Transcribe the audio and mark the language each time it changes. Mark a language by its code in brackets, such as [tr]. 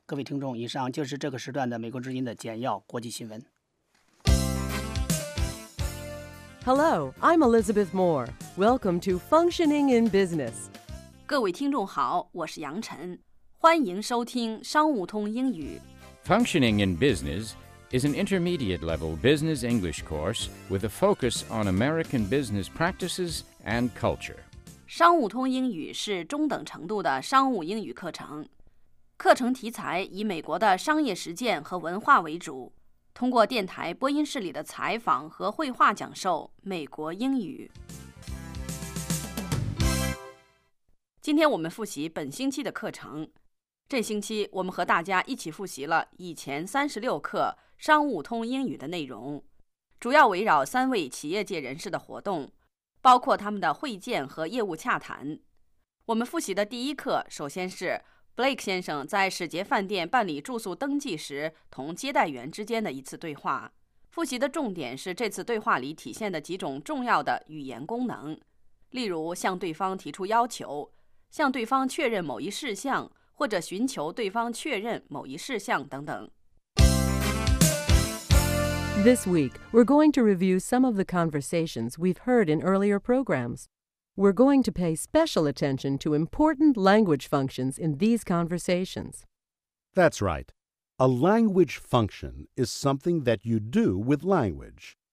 [zh] 各位听众，以上就是这个时段的美国之音的简要国际新闻。 [en] Hello, I'm Elizabeth Moore. Welcome to Functioning in Business. [zh] 各位听众好，我是杨晨，欢迎收听商务通英语。 [en] Functioning in Business is an intermediate level business English course with a focus on American business practices and culture. [zh] 商务通英语是中等程度的商务英语课程，课程题材以美国的商业实践和文化为主，通过电台播音室里的采访和绘画讲授美国英语。今天我们复习本星期的课程，这星期我们和大家一起复习了以前36课商务通英语的内容，主要围绕三位企业界人士的活动，包括他们的会见和业务洽谈。我们复习的第一课首先是 Blake 先生在史杰饭店办理住宿登记时同接待员之间的一次对话。复习的重点是这次对话里体现的几种重要的语言功能，例如向对方提出要求，向对方确认某一事项，或者寻求对方确认某一事项等等。 [en] This week, we're going to review some of the conversations we've heard in earlier programs. We're going to pay special attention to important language functions in these conversations. That's right. A language function is something that you do with language.